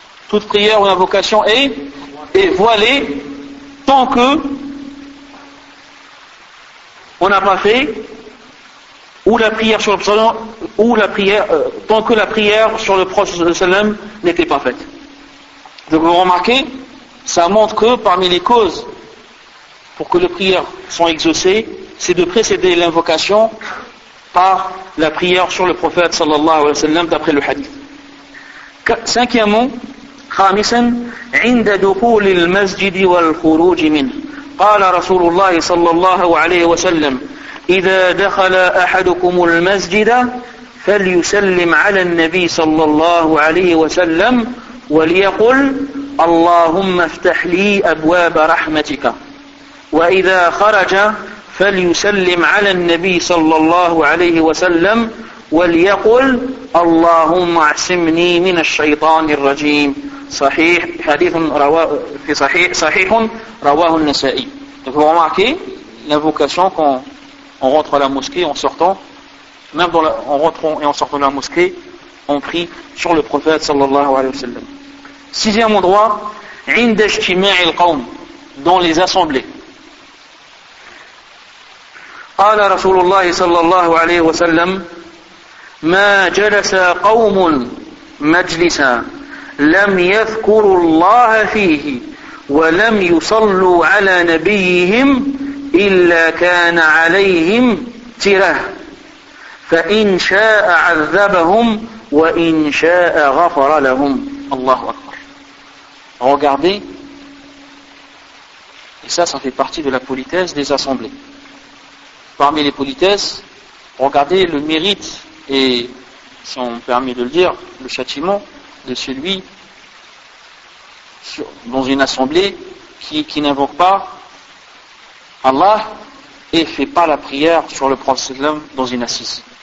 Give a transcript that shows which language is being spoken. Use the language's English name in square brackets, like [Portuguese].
[French] toute prière ou invocation est voilée tant que on n'a pas fait ou la prière sur le prophète ou la prière tant que la prière sur le prophète n'était pas faite. Donc vous remarquez, ça montre que parmi les causes pour que les prières soient exaucées, c'est de précéder l'invocation par la prière sur le prophète sallallahu alayhi wa sallam d'après le hadith. Cinquièmement, [Arabic] خامساً عند دخول المسجد والخروج منه قال رسول الله صلى الله عليه وسلم إذا دخل أحدكم المسجد فليسلم على النبي صلى الله عليه وسلم وليقل اللهم افتح لي أبواب رحمتك وإذا خرج فليسلم على النبي صلى الله عليه وسلم وليقل اللهم اعصمني من الشيطان الرجيم صحيح حديث رواه في صحيح رواه النسائي. [French] Donc vous remarquez l'invocation quand on rentre à la mosquée, en sortant, même dans la, en rentrant et en sortant de la mosquée, on prie sur le prophète sallallahu alayhi wa sallam. Sixième endroit, [Arabic] عند اجتماع القوم, [French] dans les assemblées. [Arabic] قال رسول الله صلى الله عليه وسلم ما جلس قوم مجلسا لم يذكروا الله فيه ولم يصلوا على نبيهم إلا كان عليهم تره فإن شاء عذبهم وإن شاء غفر لهم. الله أكبر. [French] Regardez, et ça fait partie de la politesse des assemblées. Parmi les politesses, regardez le mérite et, si on me permet de le dire, le châtiment de celui dans une assemblée qui n'invoque pas Allah et ne fait pas la prière sur le prophète dans une assise.